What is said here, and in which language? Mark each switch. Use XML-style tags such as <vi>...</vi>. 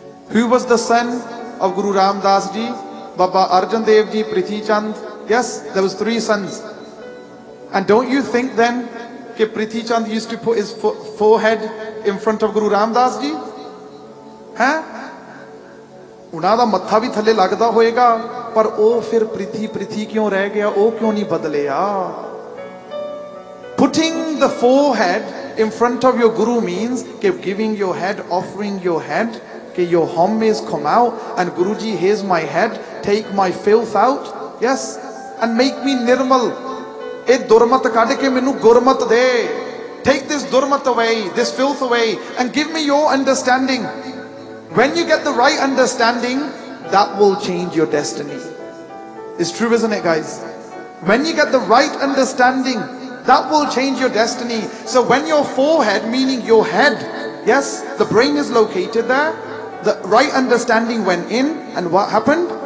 <en>Who was the son of Guru Ram Das Ji? Baba Arjan Dev Ji, Prithi Chand. Yes, there was three sons. And don't you think then that Prithi Chand used to put his forehead in front of Guru Ram Das Ji? Huh?</en> <pa>ਉਹਨਾਂ ਦਾ ਮੱਥਾ ਵੀ ਥੱਲੇ ਲੱਗਦਾ ਹੋਏਗਾ ਪਰ ਉਹ ਫਿਰ ਪ੍ਰਿਥੀ ਪ੍ਰਿਥੀ ਕਿਉਂ ਰਹਿ ਗਿਆ ਉਹ ਕਿਉਂ ਨਹੀਂ ਬਦਲਿਆ</pa> <en>putting the forehead in front of your guru means ਕਿ giving your head offering your head ਕਿ your home is come out and guru ji here is my head take my filth out yes and make me ਨਿਰਮਲ</en> <pa>ਇਹ ਦੁਰਮਤ ਕੱਢ ਕੇ ਮੈਨੂੰ ਗੁਰਮਤ ਦੇ</pa> <en>Take this ਦੁਰਮਤ away this filth away and give me your understanding When you get the right understanding, that will change your destiny. It's true, isn't it, guys? When you get the right understanding, that will change your destiny. So when your forehead, meaning your head, yes, the brain is located there, the right understanding went in, and what happened?</en>